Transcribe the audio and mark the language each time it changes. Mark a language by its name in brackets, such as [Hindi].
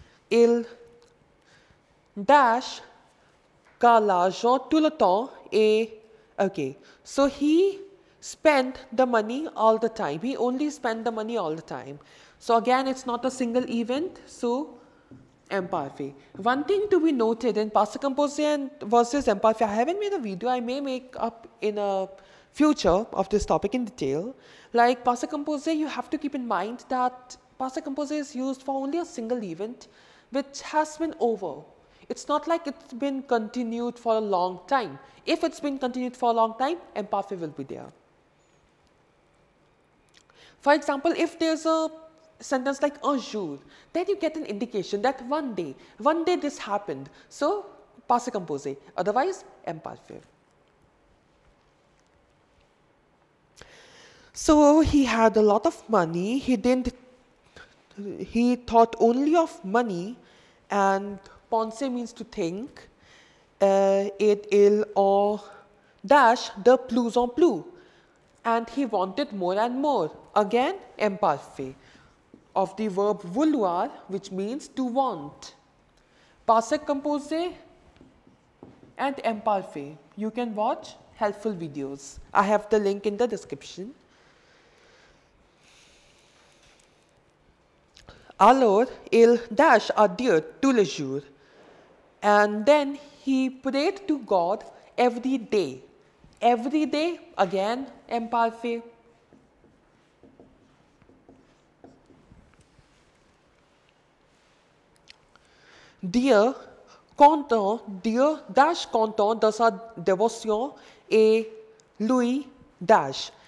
[French] Il dash car l'argent tout le temps et... [English] Okay. So he spend the money all the time. He only spend the money all the time. So again, it's not a single event. So, imparfait. One thing to be noted in passé composé versus imparfait, I haven't made a video. I may make up in a future of this topic in detail. Like passé composé, you have to keep in mind that passé composé is used for only a single event, which has been over. It's not like it's been continued for a long time. If it's been continued for a long time, imparfait will be there. For example, if there's a sentence like un jour, then you get an indication that one day this happened. So, passé composé, otherwise, imparfait. So, he had a lot of money. He thought only of money, and penser means to think. [French] Et il en dash de plus en plus. [English] And he wanted more and more. Again, imparfait. Of the verb vouloir, which means to want. Passé composé and imparfait. You can watch helpful videos. I have the link in the description. [French] Alors, il dash à Dieu tous les jours. [English] And then he prayed to God every day. Every day, again, imparfait. [French] Dieu content, Dieu dash content de sa dévotion et lui dash.